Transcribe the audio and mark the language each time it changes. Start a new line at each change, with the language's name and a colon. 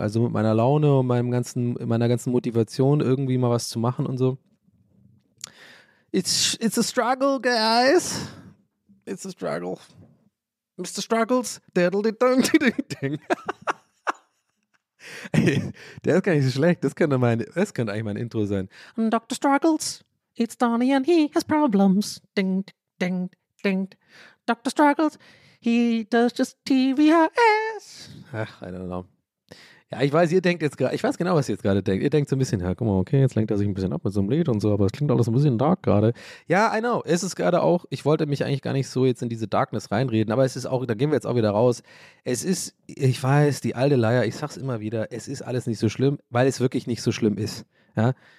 German: Also mit meiner Laune und meiner ganzen Motivation, irgendwie mal was zu machen und so.
English: It's a struggle, guys. It's a struggle. Mr. Struggles, diddle-di-dum-di-ding-ding. Ey, der ist gar nicht so schlecht. Das könnte eigentlich mein Intro sein. Dr. Struggles, it's Donny and he has problems. Ding, ding, ding. Dr. Struggles, he does just TVHS.
German: Ach,
English: I don't know.
German: Ja, ich weiß, ihr denkt jetzt gerade, ich weiß genau, was ihr jetzt gerade denkt. Ihr denkt so ein bisschen, ja, guck mal, okay, jetzt lenkt er sich ein bisschen ab mit so einem Lied und so, aber es klingt alles ein bisschen dark gerade. Ja,
English: I know,
German: es ist gerade auch, ich wollte mich eigentlich gar nicht so jetzt in diese Darkness reinreden, aber es ist auch, da gehen wir jetzt auch wieder raus. Es ist, ich weiß, die alte Leier, ich sag's immer wieder, es ist alles nicht so schlimm, weil es wirklich nicht so schlimm ist, ja.